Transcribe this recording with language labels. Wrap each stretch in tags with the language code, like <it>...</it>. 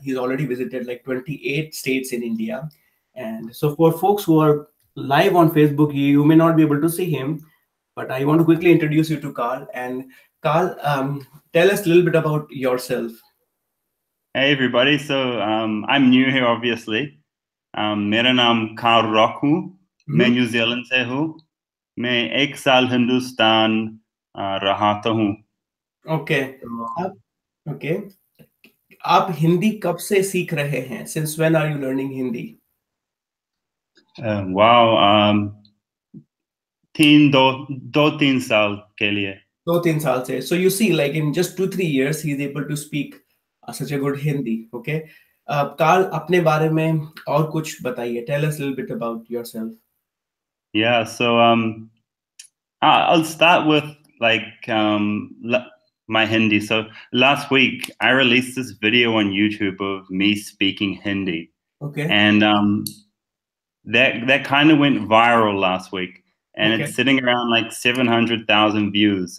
<en>He's already visited like 28 states in India. And so for folks who are live on Facebook, you may not be able to see him, but I want to quickly introduce you to Carl. And Carl, tell us a little bit about yourself. Hey, everybody. So I'm new here, obviously.</en> <hi>Mera naam Carl Rock hu. Main New Zealand se hu. मैं एक साल हिंदुस्तान रहता हूँ।</hi> <en>Okay, okay.</en> <hi>आप हिंदी कब से सीख रहे हैं?</hi> <en>Since when are you learning Hindi?</en> <hi>Wow, तीन दो दो तीन साल के लिए। दो तीन साल से।</hi> <en>So you see, like in just 2-3 years, he is able to speak such a good Hindi. Okay.</en> <hi>Carl, अपने बारे में और कुछ बताइए।</hi> <en>Tell us a little bit about yourself. Yeah, so I'll start with like my Hindi. So last week I released this video on YouTube of me speaking Hindi. Okay. And that kind of went viral last week, and okay, it's sitting around like 700,000 views.</en>